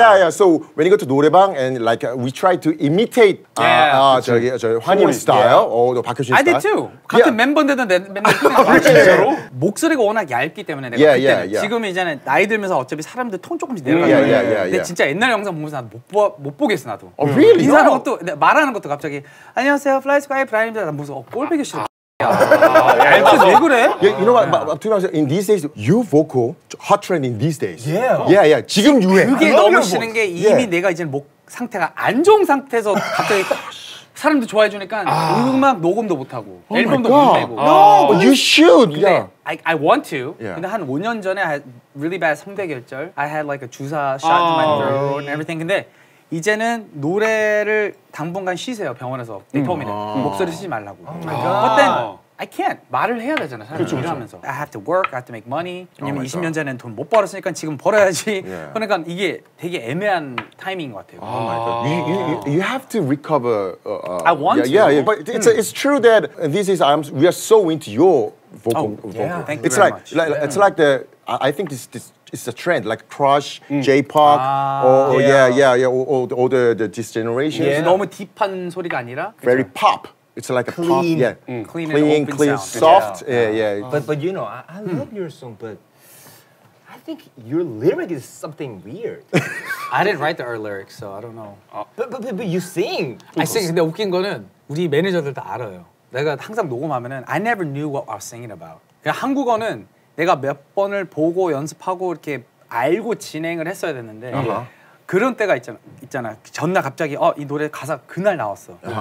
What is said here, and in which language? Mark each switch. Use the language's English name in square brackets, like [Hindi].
[English] So when you go to 노래방 and like we try to imitate Hwan Young's style or Park Kyu Shin's style. I did too. [Korean] 같은 멤버인데도 맨날 목소리가 워낙 얇기 때문에 내가 그때는 지금 이제는 나이 들면서 어차피 사람들 톤 조금씩 내려가잖아. 근데 진짜 옛날 영상 보면서 못 보겠어 나도. [English] Oh really? [Korean] 인사하는 것도 말하는 것도 갑자기 안녕하세요, Fly Sky 브라이언입니다. 난 무슨 꼴보기 싫어. 왜 그래? [English] Yeah, you know what? But to be honest, in these days, you vocal hot trend in these days. Yeah. Yeah, yeah. [Korean] 지금 유해. 그게 너무 싫은 게 이미 내가 이제 목 상태가 안 좋은 상태에서 갑자기 사람들 좋아해 주니까 음악 녹음도 못 하고 앨범도 못 내고. [English] No, you should. Yeah. I want to. Yeah. [Korean] 근데 한 5년 전에 [English] I had really bad 성대결절. I had like a 주사 shot in my throat and everything. [Korean] 근데 이제는 노래를 당분간 쉬세요, 병원에서. 리포미는. 목소리 쓰지 말라고. [English] But then, I can't. [Korean] 말을 해야 되잖아, 사실. 그렇죠, 일하면서. [English] I have to work, I have to make money. [Korean] 왜냐면 20년 전에는 돈 못 벌었으니까 지금 벌어야지. [English] Yeah. [Korean] 그러니까 이게 되게 애매한 타이밍인 것 같아요. [English] You have to recover. I want to. Yeah, yeah. But it's true that these days, we are so into your vocal. Thank you very much. It's like the, I think this it's a trend, like Crush, J-Park, all the this generation. [Korean] 너무 딥한 소리가 아니라. [English] Very pop. It's like clean. A pop. Yeah. Mm. Clean, sound. Soft. Yeah, yeah. Yeah. But you know, I love your song, but I think your lyric is something weird. I didn't write the lyrics, so I don't know. But you sing. I sing. [Korean] 근데 웃긴 거는 우리 매니저들 다 알아요. 내가 항상 녹음하면은 [English] I never knew what I was singing about. [Korean] 그냥 한국어는 내가 몇 번을 보고 연습하고 이렇게 알고 진행을 했어야 됐는데 그런 때가 있잖아. 전날 갑자기 이 노래 가사 그날 나왔어.